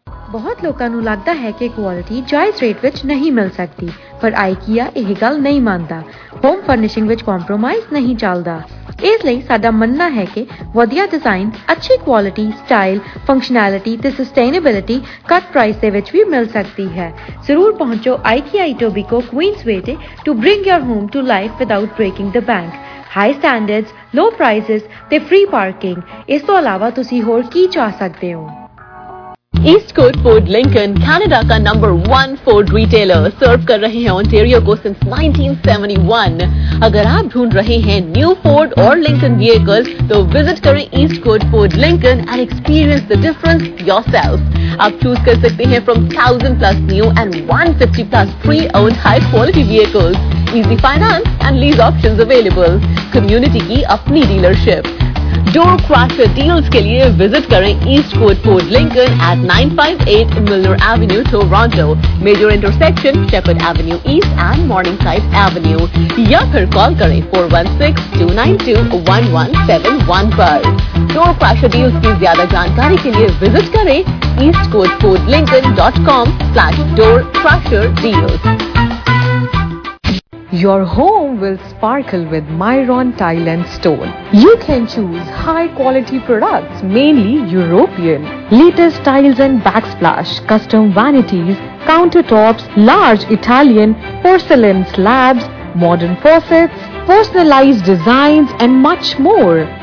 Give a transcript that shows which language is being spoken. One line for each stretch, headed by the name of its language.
Punjabi: ਬਹੁਤ ਲੋਕਾਂ ਨੂੰ ਲੱਗਦਾ ਹੈ ਕਿ ਕੁਆਲਿਟੀ ਜਾਇਜ਼ ਰੇਟ ਵਿੱਚ ਨਹੀਂ ਮਿਲ ਸਕਦੀ ਪਰ ਆਈਕੀਆ ਇਹ ਗੱਲ ਨਹੀਂ ਮੰਨਦਾ ਹੋਮ ਫਰਨਿਸ਼ਿੰਗ ਵਿੱਚ ਕੰਪਰੋਮਾਈਜ਼ ਨਹੀਂ ਚੱਲਦਾ ਇਸ ਲਈ ਸਾਡਾ ਮੰਨਣਾ ਹੈ ਕਿ ਵਧੀਆ ਡਿਜ਼ਾਈਨ ਅੱਛੀ ਕੁਆਲਿਟੀ ਸਟਾਈਲ ਫੰਕਸ਼ਨੈਲਿਟੀ ਤੇ ਸਸਟੇਨੇਬਿਲਿਟੀ ਘੱਟ ਪ੍ਰਾਈਸ ਦੇ ਵਿੱਚ ਵੀ ਮਿਲ ਸਕਦੀ ਹੈ ਜ਼ਰੂਰ ਪਹੁੰਚੋ ਆਈਕੀਆ ਇਟੋਬੀਕੋ ਕੁਈਨਸ ਵੇ ਤੇ
English: to bring your home to life without breaking the bank
Punjabi: high standards low prices ਤੇ ਫ੍ਰੀ ਪਾਰਕਿੰਗ ਇਸ ਤੋਂ ਇਲਾਵਾ ਤੁਸੀਂ ਹੋਰ ਕੀ ਚਾਹ ਸਕਦੇ ਹੋ
Hindi: east coat Ford Lincoln Canada का नंबर वन फोर्ड रिटेलर सर्व कर रहे हैं ओंटेरियो को सिंस 1971. अगर आप ढूंढ रहे हैं न्यू फोर्ड और लिंकन व्हीकल्स तो विजिट करें east coat Ford Lincoln
English: And experience the difference yourself.
Hindi: आप चूज कर सकते हैं from 1000 plus new and 150 plus pre owned high quality vehicles. Easy finance and lease options available. Community की अपनी dealership. Door cracker deals के लिए visit करें east coat Ford Lincoln eight 958 मिलनर Avenue Toronto major intersection shepherd Avenue east and मॉर्निंगसाइड Avenue या फिर call करें 416-292-1171 पर. Door cracker deals की ज्यादा जानकारी के लिए विजिट करें east coat Ford Lincoln .com/doorcrasherdeals.
English: Your home will sparkle with Myron Tile and Stone. You can choose high quality products, mainly European. Latest tiles and backsplash, custom vanities, countertops, large Italian, porcelain slabs, modern faucets, personalized designs and much more.